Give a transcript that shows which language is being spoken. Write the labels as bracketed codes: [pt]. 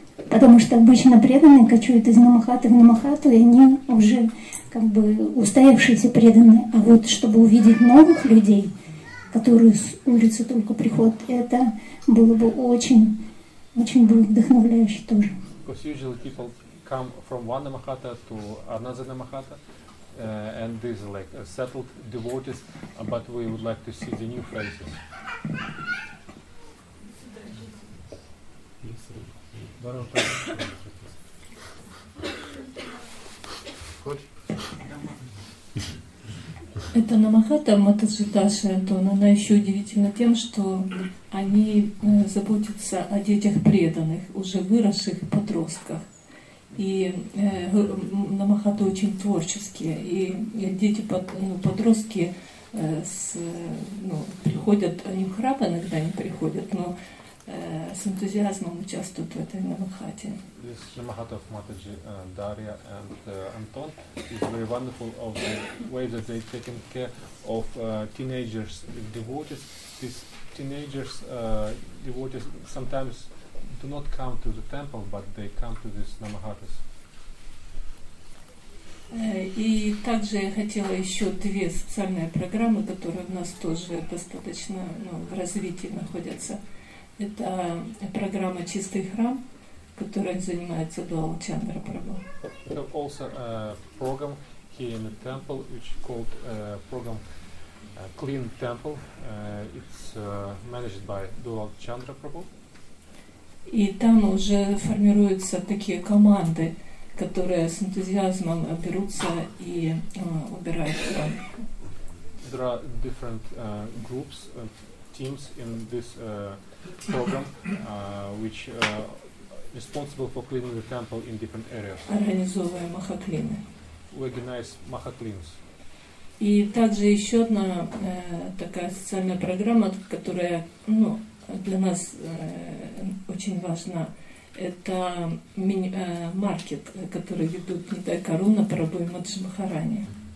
[ru] Потому что обычно преданные кочуют из намахаты в намахату, и они уже как бы устоявшиеся преданные. А вот чтобы увидеть новых людей, которые с улицы только приходят, это было бы очень, очень было вдохновляюще тоже. [en] Because usually people come from one намахата to another намахата, and these are like settled devotees, but we would like to see the new faces. Good. [ru] Это намахата Матаджи Даши Антон, она еще удивительна тем, что они заботятся о детях преданных, уже выросших подростках. И намахаты очень творческие, и дети подростки приходят, они в храм иногда не приходят, но с энтузиазмом участвуют в этой намахате. [en] This namahata of Mataji Daria and Anton is very wonderful of the way that they take care of teenagers devotees. These teenagers devotees sometimes do not come to the temple, but they come to these namahatas. [ru] И также я хотела еще две социальные программы, которые у нас тоже достаточно в развитии находятся. Это программа «Чистый храм», которой занимается Дуал Чандра Прабху. [en] So also a program here in the temple, which is called program Clean Temple. It's managed by Dual Chandra Prabhu. [ru] И там уже формируются такие команды, которые с энтузиазмом берутся и убирают храм. [en] There are different groups, teams in this program, which responsible for cleaning the temple in different areas. [ru] Организовываем махаклины. [en] Organize махаклинс. [ru] И также еще одна такая социальная программа, которая для нас очень важна. Это маркет, который ведут Нитай Каруна, Прабху и Матаджи Махарани.